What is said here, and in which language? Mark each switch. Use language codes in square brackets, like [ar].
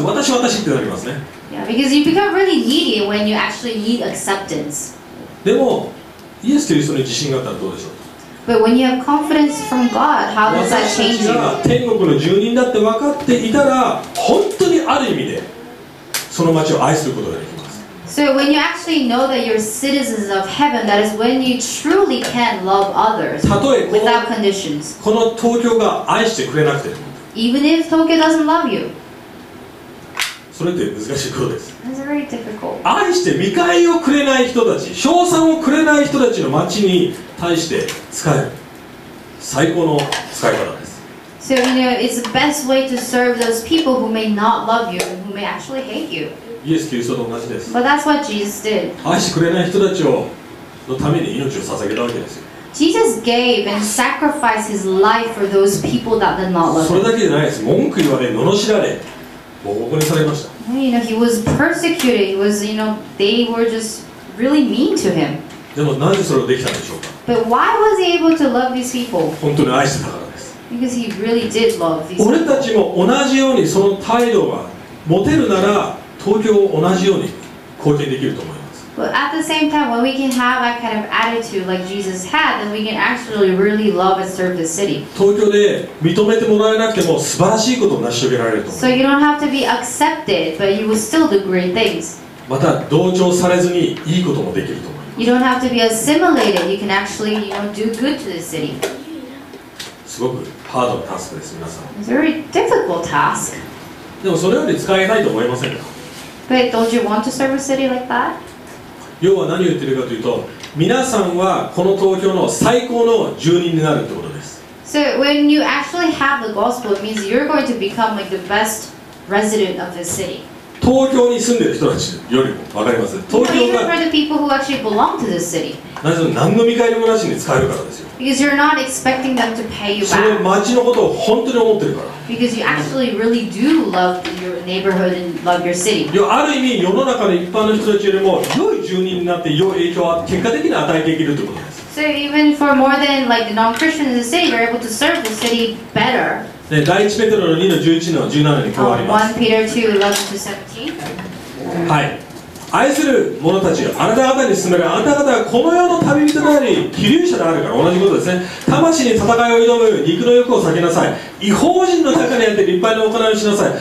[ja] 私、私ってなりますね。 [en] Because you become really needy when you actually need acceptance. [ja] でも、イエスという人に自信があったらどうでしょう。 [en] But when you have confidence from God, how does that change you? [ja] 私たちが天国の住人だって分かっていたら、本当にある意味でその町を愛することができます。 [en] So when you actually know that you're citizens of heaven, that is when you truly can love others without conditions. [ja] この東京が愛してくれなくても。 [en] Even if Tokyo doesn't love you. [ja] それって難しいことです。 [en] That's very difficult. [ja] 愛して見返りをくれない人たち、称賛をくれない人たちの町に対して使える最高の使い方です。 [en] So, you know, it's the best way to serve those people who may not love you, who may actually hate you. [ja] イエス・キリストと同じです。 [en] But that's what Jesus did. [ja] 愛してくれない人たちをのために命を捧げたわけですよ。 [en] Jesus gave and sacrificed his life for those people that did not love him. [ja] それだけじゃないです。文句言われ、罵られ。ここにされました。 [en] You know, he was persecuted. He was, you know, they were just really mean to him. [ja] でもなぜそれをできたんでしょうか。 [en] But why was he able to love these people? [ja] 本当に愛してたからです。 [en] Because he really did love these people. [ja] 俺たちも同じようにその態度が持てるなら、東京を同じように貢献できると思います。 [en] But at the same time, when we can have that kind of attitude like Jesus had, then we can actually really love and serve the city. [ja] 東京で認めてもらえなくても素晴らしいことを成し遂げられると思います。 [en] So you don't have to be accepted, but you will still do great things. [ja] また同調されずにいいこともできると思います。 [en] You don't have to be assimilated. You can actually, you know, do good to the city. [ja] すごくハードなタスクです、皆さん。 [en] It's a very difficult task. [ja] でもそれより使えないと思いませんか。 [en] But don't you want to serve a city like that? [ja] 要は何を言ってるかというと、皆さんはこの東京の最高の住人になるってことです。 [en] So when you actually have the gospel, it means you're going to become like the best resident of this city. [ja] 東京に住んでる人たちよりも、わかります。東京が。 [en] Even for the people who actually belong to this city. [ja] なぜ何の見返りもなしに使えるからですよ。 [en] Because you're not expecting them to pay you back. [ja] その街のことを本当に思ってるから。 [en] Because you actually really do love your neighborhood and love your city. [ja] いや、ある意味世の中の一般の人たちよりも良い住人になって良い影響を結果的に与えているということです。 [en] So even for more than like the non-Christians in the city, we're able to serve the city better. [ja] で、第1ペテロの2の11の17に加わります。 [en] 1 Peter 2, 11 to 17. [ja] はい。愛する者たちよ、あなた方に勧める、あなた方はこの世の旅人であり、希留者であるから、同じことですね。魂に戦いを挑む、肉の欲を避けなさい。異邦人の中にあって立派な行いをしなさい。